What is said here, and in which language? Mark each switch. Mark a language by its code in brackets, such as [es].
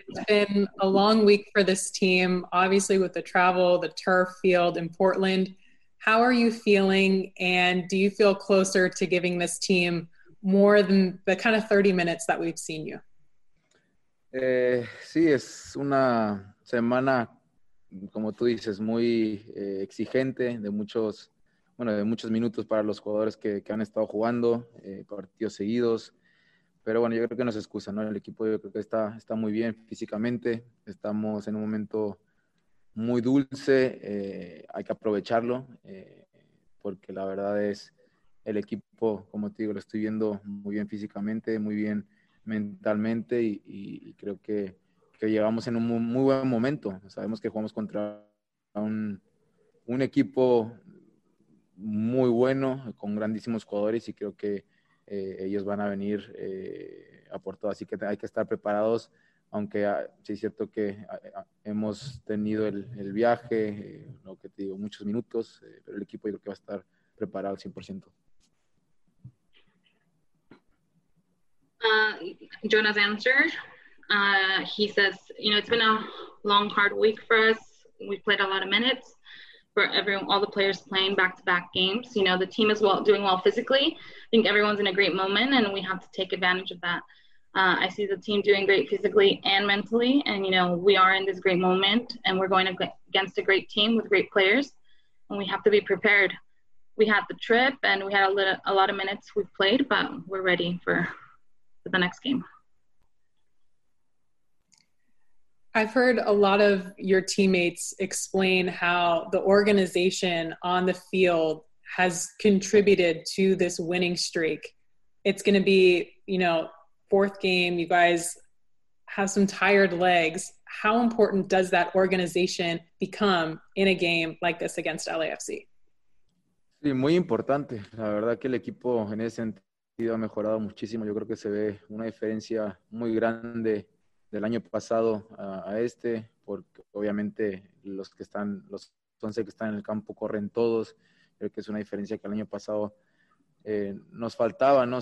[en] It's been a long week for this team, obviously with the travel, the turf field in Portland. How are you feeling, and do you feel closer to giving this team more than the kind of 30 minutes that we've seen you? [es] Sí, es una semana, como tú dices, muy exigente, de muchos minutos para los jugadores que han estado jugando, partidos seguidos. Pero bueno, yo creo que no es excusa, ¿no? El equipo yo creo que está muy bien físicamente. Estamos en un momento muy dulce. Hay que aprovecharlo porque la verdad es el equipo, como te digo, lo estoy viendo muy bien físicamente, muy bien mentalmente y creo que llegamos en un muy buen momento. Sabemos que jugamos contra un equipo muy bueno, con grandísimos jugadores, y creo que ellos van a venir a por todo, así que hay que estar preparados, aunque sí es cierto que hemos tenido el viaje, lo que te digo, muchos minutos, pero el equipo yo creo que va a estar preparado al 100%. [en] Jonah's answer, he says, you know, it's been a long, hard week for us. We played a lot of minutes for everyone, all the players playing back-to-back games. You know, the team is doing well physically. I think everyone's in a great moment, and we have to take advantage of that. I see the team doing great physically and mentally, and, you know, we are in this great moment, and we're going against a great team with great players, and we have to be prepared. We had the trip, and we had a lot of minutes we've played, but we're ready for the next game. I've heard a lot of your teammates explain how the organization on the field has contributed to this winning streak. It's going to be, you know, fourth game. You guys have some tired legs. How important does that organization become in a game like this against LAFC? [es] Sí, muy importante. La verdad que el equipo en ese sentido ha mejorado muchísimo. Yo creo que se ve una diferencia muy grande del año pasado a este, porque obviamente los 11 que están en el campo corren todos. Creo que es una diferencia que el año pasado nos faltaba, ¿no?